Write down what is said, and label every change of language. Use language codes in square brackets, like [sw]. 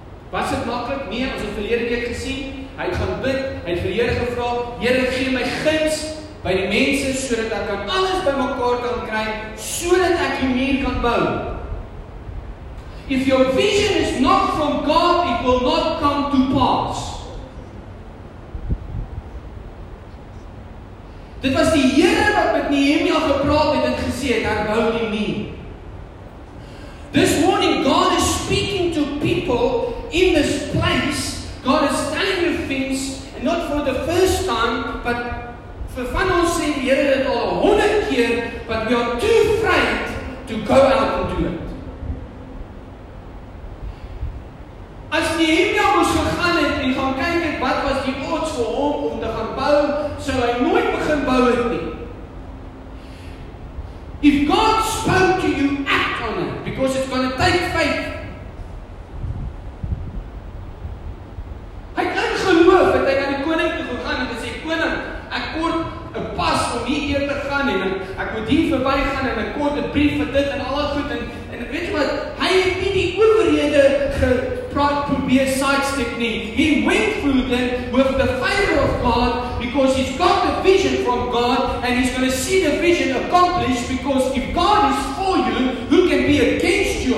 [af] Was dit maklik? Nee, ons het verlede week gesien, hy het gaan bid, hy het vir die Here gevra, Here gee my guns by die mense, so dat ek kan alles by mekaar kan kry, so dat ek die muur kan bou. [en] If your vision is not from God, it will not come to pass. [af] Dit was die Here wat met Nehemia gepraat het en gesê het, herbou die muur. [en] This morning, God is speaking to people in this place. God is telling you things, and not for the first time, but [af] vir van ons sê die Here dit al 100 keer, [en] but we are too afraid to go out and do it. [af] As Nehemia moes gegaan het en gaan kyk het wat was die odds vir hom om te gaan bou, sou hy nooit begin bou het nie. [en] If God spoke to you, act on it, because it's going to take faith. [af] Hy het ingeloof, het hy na die koning toe gegaan en gesê, koning, ek kort 'n pas om hier te gaan en ek moet hier verby gaan en ek kort 'n brief vir dit en al dat goed en weet jy wat, hy het nie die owerhede gepraat probeer sidestep nie. [en] He went through them with the favor of God because he's got the vision from God and he's going to see the vision accomplished because if God is for you, who can be against you?